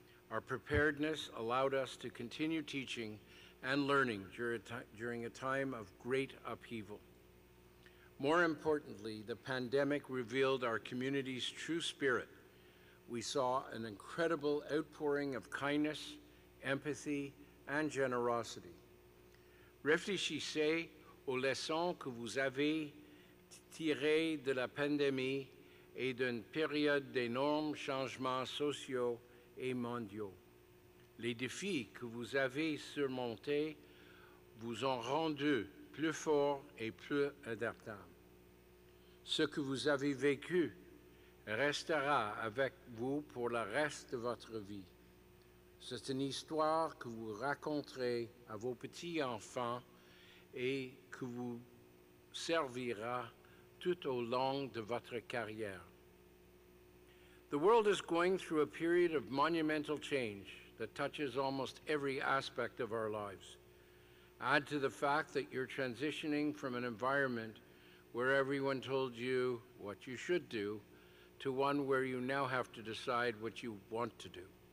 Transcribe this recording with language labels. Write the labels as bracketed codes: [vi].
[en] Our preparedness allowed us to continue teaching and learning during a time of great upheaval. More importantly, the pandemic revealed our community's true spirit. We saw an incredible outpouring of kindness, empathy, and generosity. [fr] Réfléchissez aux leçons que vous avez tirées de la pandémie et d'une période d'énormes changements sociaux et mondiaux. Les défis que vous avez surmontés vous ont rendu plus fort et plus adaptable. Ce que vous avez vécu restera avec vous pour le reste de votre vie. C'est une histoire que vous raconterez à vos petits-enfants et que vous servira tout au long de votre carrière. [en] The world is going through a period of monumental change that touches almost every aspect of our lives. Add to the fact that you're transitioning from an environment where everyone told you what you should do to one where you now have to decide what you want to do.